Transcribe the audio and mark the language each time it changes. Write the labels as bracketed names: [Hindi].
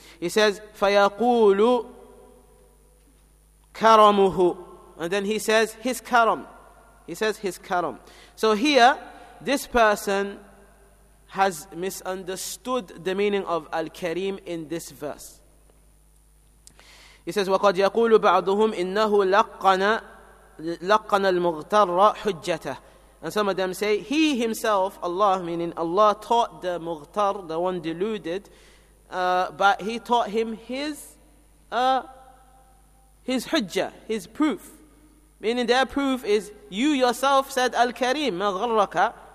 [English] He says, [Arabic] فَيَقُولُ كَرَمُهُ. [English] And then he says, his karam. He says, his karam. So here, this person has misunderstood the meaning of al-kareem in this verse. He says, [Arabic] وَقَدْ يَقُولُ بَعْضُهُمْ إِنَّهُ لَقَّنَ الْمُغْتَرَّ حُجَّتَهُ. [English] And some of them say, he himself, Allah, meaning Allah, taught the Mughtar, the one deluded, but he taught him his hujjah, his proof. Meaning their proof is, you yourself said Al-Kareem, ma gharraka.